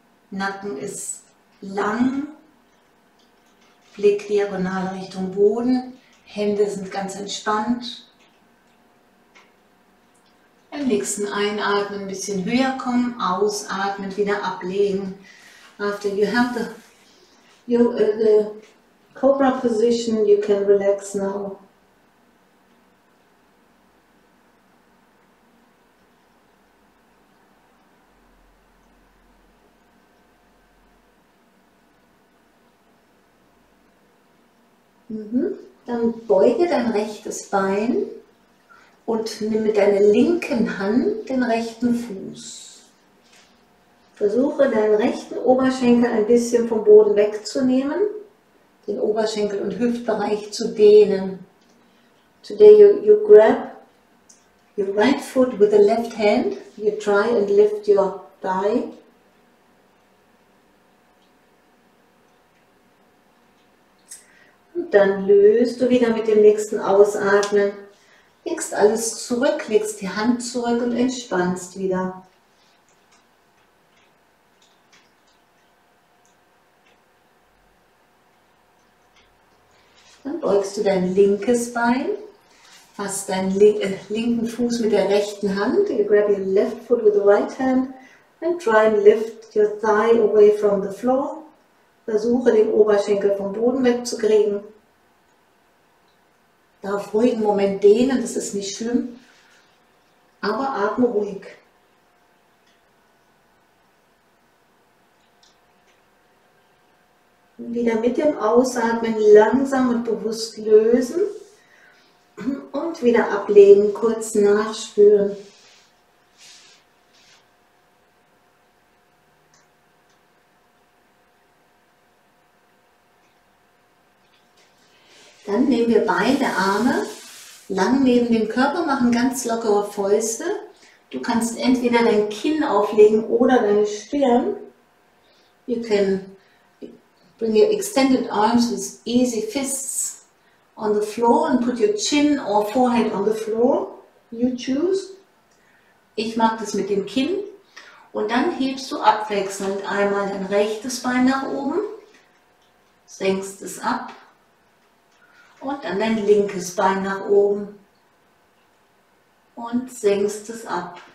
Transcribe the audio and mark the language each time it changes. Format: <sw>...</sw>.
<de>Nacken ist lang, Blick diagonal Richtung Boden, Hände sind ganz entspannt. Im nächsten Einatmen ein bisschen höher kommen, ausatmen, wieder ablegen.</de> <en>After you have the cobra position, you can relax now.</en> <de>Dann beuge dein rechtes Bein. Und nimm mit deiner linken Hand den rechten Fuß. Versuche, deinen rechten Oberschenkel ein bisschen vom Boden wegzunehmen. Den Oberschenkel und Hüftbereich zu dehnen.</de> <en>Today you grab your right foot with the left hand. You try and lift your thigh.</en> <de>Und dann löst du wieder mit dem nächsten Ausatmen. Legst alles zurück, legst die Hand zurück und entspannst wieder. Dann beugst du dein linkes Bein, fasst deinen linken Fuß mit der rechten Hand.</de> <en>You grab your left foot with the right hand and try and lift your thigh away from the floor.</en> <de>Versuche, den Oberschenkel vom Boden wegzukriegen. Darf ruhig einen Moment dehnen, das ist nicht schlimm, aber atme ruhig. Wieder mit dem Ausatmen langsam und bewusst lösen und wieder ablegen, kurz nachspüren. Dann nehmen wir beide Arme lang neben dem Körper, machen ganz lockere Fäuste. Du kannst entweder dein Kinn auflegen oder deine Stirn.</de> <en>You can bring your extended arms with easy fists on the floor and put your chin or forehead on the floor. You choose.</en> <de>Ich mag das mit dem Kinn. Und dann hebst du abwechselnd einmal dein rechtes Bein nach oben, senkst es ab. Und dann dein linkes Bein nach oben und senkst es ab.</de>